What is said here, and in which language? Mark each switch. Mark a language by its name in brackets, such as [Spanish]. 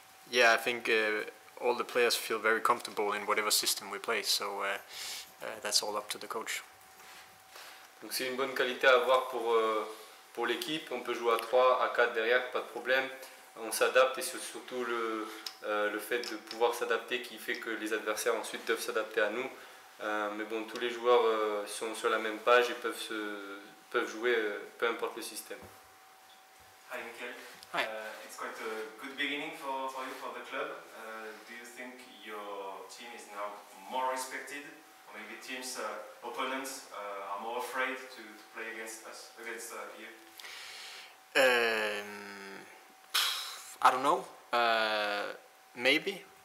[English] Yeah, I think all the players feel very comfortable in whatever system we play. So that's all up to the coach. [French] Donc c'est une bonne qualité à avoir pour l'équipe. On peut jouer à 3, à 4 derrière, pas de problème. On s'adapte, et c'est surtout le fait de pouvoir s'adapter qui fait que les adversaires ensuite doivent s'adapter à nous. Mais bon, tous les joueurs sont sur la même page et peuvent jouer peu importe le système. [English] Hi Mikkel. Hi. It's quite a good beginning for you, for the club. Do you think your team is now more respected? Maybe teams, opponents are more afraid to play against you? I don't know. Maybe.